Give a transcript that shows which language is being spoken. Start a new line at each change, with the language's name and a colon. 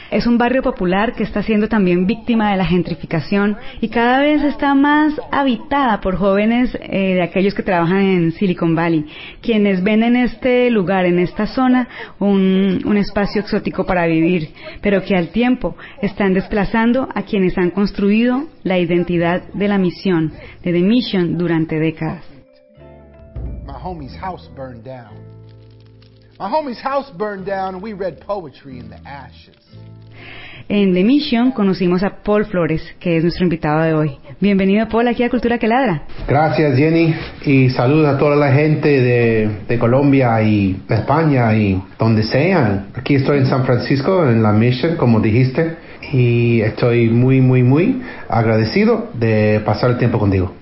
Spanish: Es un barrio popular que está siendo también víctima de la gentrificación y cada vez está más habitada por jóvenes de aquellos que trabajan en Silicon Valley, quienes ven en este lugar, en esta zona, un espacio exótico para vivir, pero que al tiempo están desplazando a quienes han construido la identidad de la misión, de The Mission, durante décadas.
English: My homie's house burned down. My homie's house burned down and we read poetry in the ashes.
Spanish: En The Mission conocimos a Paul Flores, que es nuestro invitado de hoy. Bienvenido, Paul, aquí a Cultura que Ladra. Gracias, Jenny, y saludos a toda la gente de Colombia y España y donde sean. Aquí estoy en San Francisco, en La Mission, como dijiste, y estoy muy, muy, muy agradecido de pasar el tiempo contigo.